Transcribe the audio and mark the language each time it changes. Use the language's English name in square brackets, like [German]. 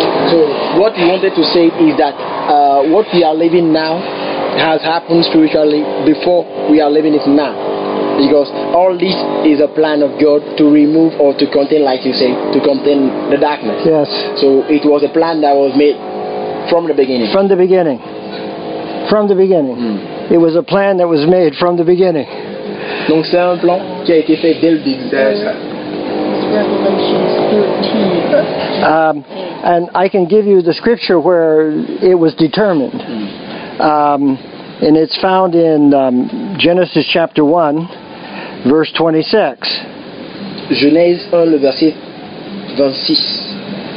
[English] So what he wanted to say is that what we are living now has happened spiritually before we are living it now. Because all this is a plan of God to remove or to contain, like you say, to contain the darkness. Yes. So it was a plan that was made from the beginning. From the beginning. From the beginning. Mm. It was a plan that was made from the beginning. [French] Donc c'est un plan qui a été fait dès le début. C'est ça. [English] And I can give you the scripture where it was determined. And it's found in Genesis chapter 1, verse 26. [French] Genèse 1, le verset 26.